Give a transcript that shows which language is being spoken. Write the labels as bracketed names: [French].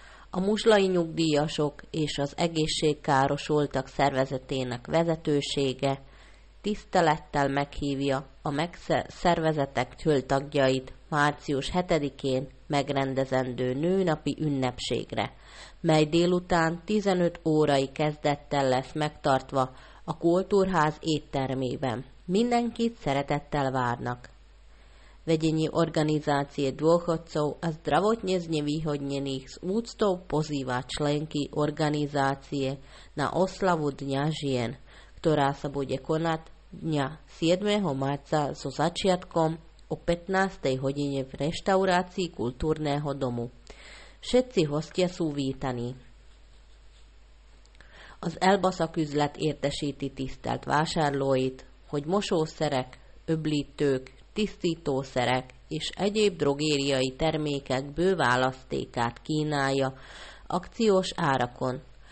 [Hungarian] A muzslai nyugdíjasok és az egészségkárosoltak szervezetének vezetősége tisztelettel meghívja a szervezetek tagjait március 7-én megrendezendő nőnapi ünnepségre, mely délután 15 órai kezdettel lesz megtartva a kultúrház éttermében. Mindenkit szeretettel várnak. [Slovak] Vedenie organizácie dôchodcov a zdravotne znevýhodnených z úctou pozýva členky organizácie na oslavu Dňa žien, ktorá sa bude konať dňa 7. marca so začiatkom o 15. hodine v reštaurácii kultúrneho domu. Všetci hostia sú vítaní. [Hungarian] Az Elbaszak üzlet értesíti tisztelt vásárlóit, hogy mosószerek, öblítők, tisztítószerek és egyéb drogériai termékek bő választékát kínálja akciós árakon.